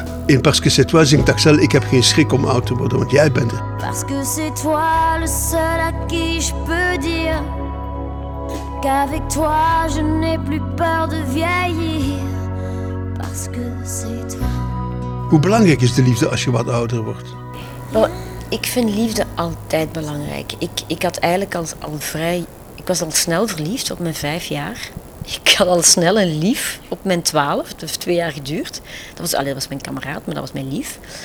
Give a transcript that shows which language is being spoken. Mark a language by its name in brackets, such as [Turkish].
[Dutch] In Parce que c'est toi zingt Axel, ik heb geen schrik om oud te worden, want jij bent er. [French] Parce que c'est toi le seul à qui je peux dire qu'avec toi je n'ai plus peur de vieillir. Parce que c'est toi. [Dutch] Hoe belangrijk is de liefde als je wat ouder wordt? Well, ik vind liefde altijd belangrijk. Ik had eigenlijk al vrij... Ik was al snel verliefd op mijn 5 jaar. Ik had al snel een lief op mijn 12. Het heeft 2 jaar geduurd. Dat was mijn kameraad, maar dat was mijn lief.